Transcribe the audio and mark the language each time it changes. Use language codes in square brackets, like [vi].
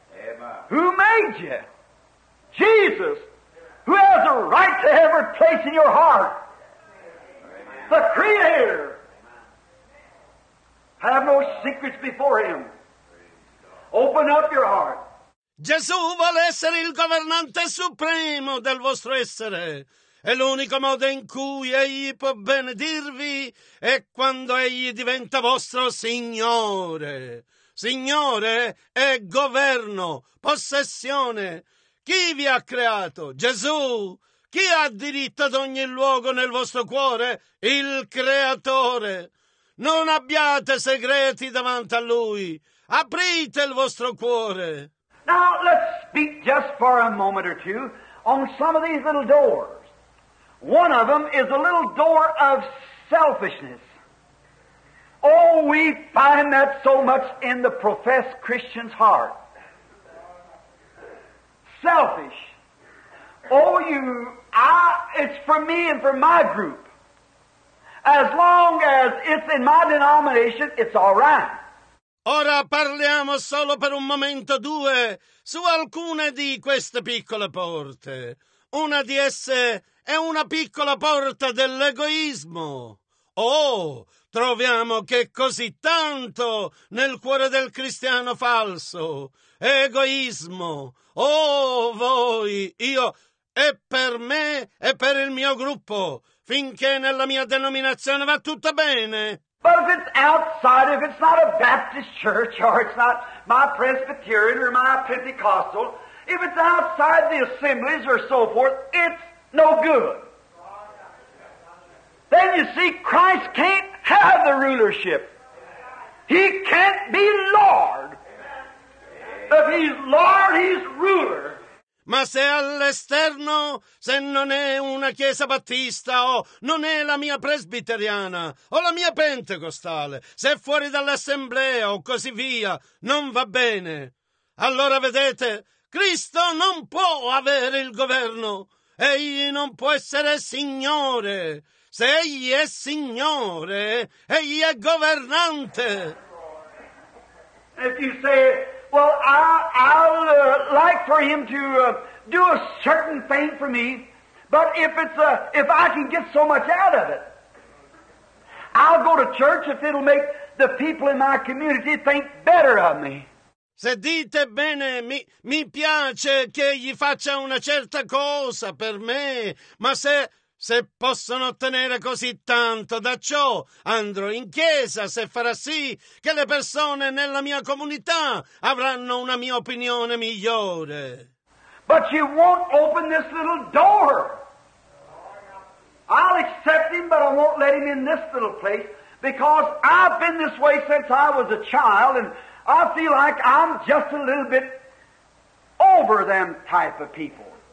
[en] Amen. Who made you? Jesus. Who has a right to every place in your heart? Amen. The Creator. Have no secrets before him. Open up your heart. [it] Gesù vuole essere il governante supremo del vostro essere. E l'unico modo in cui egli può benedirvi è quando egli diventa vostro Signore. Signore è governo, possessione. Chi vi ha creato? Gesù. Chi ha diritto ad ogni luogo nel vostro cuore? Il Creatore. Non abbiate segreti davanti a Lui. Aprite il vostro cuore. [en] Now let's speak just for a moment or two on some of these little doors. One of them is a little door of selfishness. Oh, we find that so much in the professed Christian's heart. Selfish. Oh, it's for me and for my group. As long as it's in my denomination, it's all right. [it] Ora parliamo solo per un momento o due su alcune di queste piccole porte. Una di esse è una piccola porta dell'egoismo. Oh, troviamo che così tanto nel cuore del cristiano falso. Egoismo. Oh, voi, io, è per me e per il mio gruppo. Finché nella mia denominazione va tutto bene. [en] But if it's outside, if it's not a Baptist church, or it's not my Presbyterian or my Pentecostal, if it's outside the assemblies or so forth, it's no good. Then you see, Christ can't have the rulership. He can't be Lord. If he's Lord, he's ruler. [it] Ma se all'esterno, se non è una chiesa battista, o non è la mia presbiteriana, o la mia pentecostale, se è fuori dall'assemblea, o così via, non va bene. Allora vedete, Cristo non può avere il governo. Egli non può essere Signore. Se Egli è Signore, Egli è governante. [en] If you say, well, I'll like for him to do a certain thing for me, but if I can get so much out of it, I'll go to church if it'll make the people in my community think better of me. [it] Se dite bene, mi piace che gli faccia una certa cosa per me, ma se possono ottenere così tanto da ciò, andrò in chiesa se farà sì che le persone nella mia comunità avranno una mia opinione migliore. [en] But you won't open this little door. I'll accept him, but I won't let him in this little place, because I've been this way since I was a child, and I feel like I'm just a little bit over them type of people.